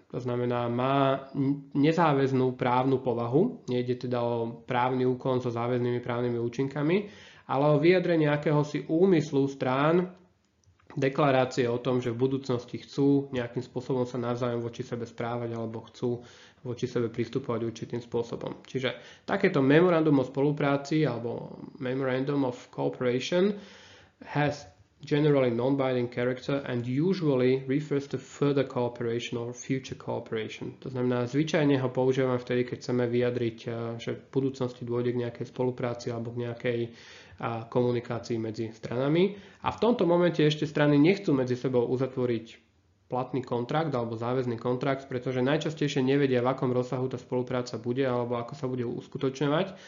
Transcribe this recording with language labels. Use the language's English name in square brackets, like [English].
[Slovak] To znamená, má nezáväznú právnu povahu, nejde teda o právny úkon so záväznými právnymi účinkami, ale o vyjadrenie akéhosi úmyslu strán, deklarácie o tom, že v budúcnosti chcú nejakým spôsobom sa navzájom voči sebe správať alebo chcú voči sebe pristupovať určitým spôsobom. Čiže takéto memorandum o spolupráci alebo [English] memorandum of cooperation has generally non-binding character and usually refers to further cooperation or future cooperation. [Slovak] To znamená, zvyčajne ho používame vtedy, keď chceme vyjadriť, že v budúcnosti dôjde k nejakej spolupráci alebo k nejakej komunikácii medzi stranami. A v tomto momente ešte strany nechcú medzi sebou uzatvoriť platný kontrakt alebo záväzný kontrakt, pretože najčastejšie nevedia, v akom rozsahu tá spolupráca bude alebo ako sa bude uskutočňovať.